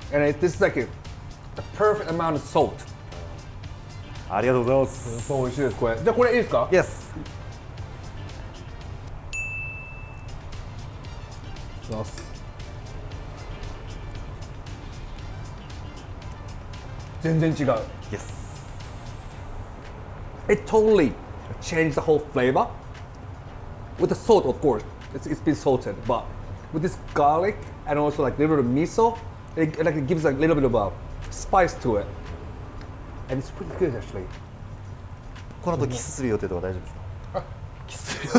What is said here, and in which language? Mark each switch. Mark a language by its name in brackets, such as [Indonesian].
[English] And this is like the perfect amount of salt. [Japanese] ありがとうございます。そう、美味しいです、これ。じゃあ、これいいですか? [English] Yes. [Japanese] いただきます。全然違う。 [English] Yes. It totally changed the whole flavor. With the salt, of course. It's been salted, but with this garlic and also like a little bit of miso, it gives a little bit of a spice to it. And it's pretty good, actually. [Japanese] この後キスする予定とか大丈夫ですか?